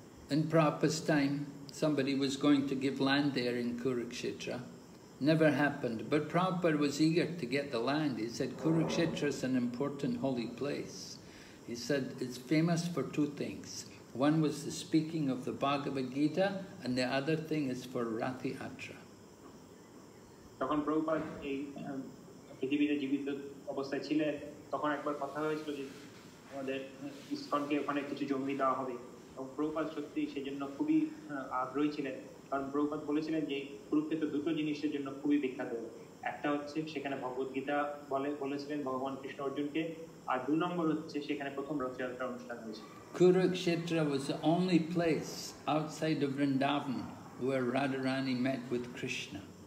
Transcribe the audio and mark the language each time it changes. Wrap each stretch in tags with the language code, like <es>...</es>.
<en>In Prabhupada's time, somebody was going to give land there in Kurukshetra. Never happened, but Prabhupada was eager to get the land. He said, Kurukshetra is an important holy place. He said, it's famous for two things. One was the speaking of the Bhagavad Gita, and the other thing is for Ratha Yatra.</en> <bn>তখন প্রভুপাদ এই পৃথিবীতে জীবিত অবস্থায় ছিলেন তখন একবার কথা হয়েছিল যে আমাদের ইসকনকে ওখানে কিছু জমি দেওয়া হবে এবং প্রভুপাদ সত্যি সেই জন্য খুবই আগ্রহী ছিলেন কারণ প্রভুপাদ বলেছিলেন যে কুরুক্ষেত্র দুটো জিনিসের জন্য খুবই বিখ্যাত একটা হচ্ছে সেখানে ভগবদ গীতা বলেছিলেন ভগবান কৃষ্ণ অর্জুনকে আর দু নম্বর হচ্ছে সেখানে প্রথম রথযাত্রা অনুষ্ঠান হয়েছিল</bn> <en>Kurukshetra was the only place outside of Vrindavan where Radharani met with Krishna.</en>